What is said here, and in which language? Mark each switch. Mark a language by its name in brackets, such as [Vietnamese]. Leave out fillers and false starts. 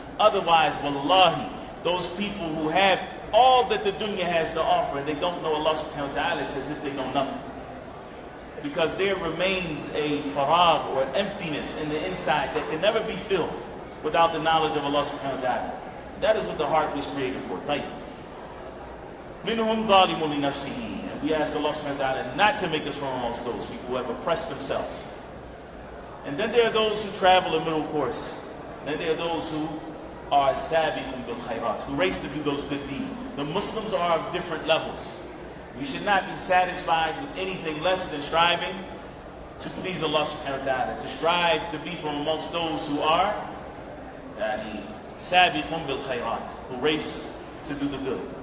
[English] Otherwise, wallahi, those people who have all that the dunya has to offer and they don't know Allah subhanahu wa ta'ala, it's as if they know nothing. Because there remains a faragh or an emptiness in the inside that can never be filled without the knowledge of Allah subhanahu wa ta'ala. That is what the heart was created for. [Arabic] Minhum ظَالِمٌ لِنَفْسِهِ. [English] We ask Allah subhanahu wa ta'ala not to make us from amongst those people who have oppressed themselves. And then there are those who travel a middle course. And then there are those who are [Arabic] سَابِقُمْ بِالْخَيْرَاتِ, [English] who race to do those good deeds. The Muslims are of different levels. We should not be satisfied with anything less than striving to please Allah subhanahu wa ta'ala, to strive to be from amongst those who are [Arabic] سَابِقُمْ بِالْخَيْرَاتِ, [English] who race to do the good.